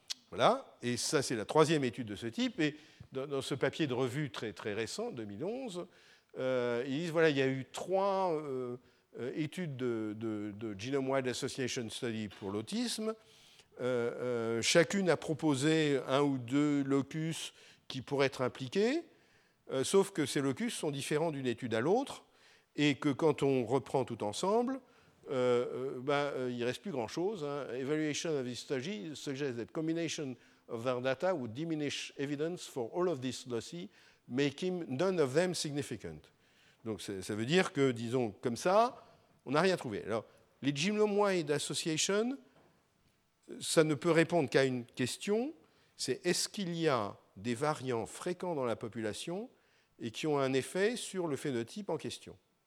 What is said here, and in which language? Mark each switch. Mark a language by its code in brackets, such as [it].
[fr] Voilà, et ça c'est la troisième étude de ce type, et dans ce papier de revue très, très récent, 2011, ils disent, voilà, il y a eu trois études de Genome Wide Association Study pour l'autisme, Chacune a proposé un ou deux locus qui pourraient être impliqués, sauf que ces locus sont différents d'une étude à l'autre, et que quand on reprend tout ensemble, il ne reste plus grand-chose. Hein. [en] Evaluation of this study suggests that combination of their data would diminish evidence for all of these loci, making none of them significant. [fr] Donc ça veut dire que, disons, comme ça, on n'a rien trouvé. Alors, les gymnomoïdes association, ça ne peut répondre qu'à une question, c'est est-ce qu'il y a des variants fréquents dans la population et qui ont un effet sur le phénotype en question.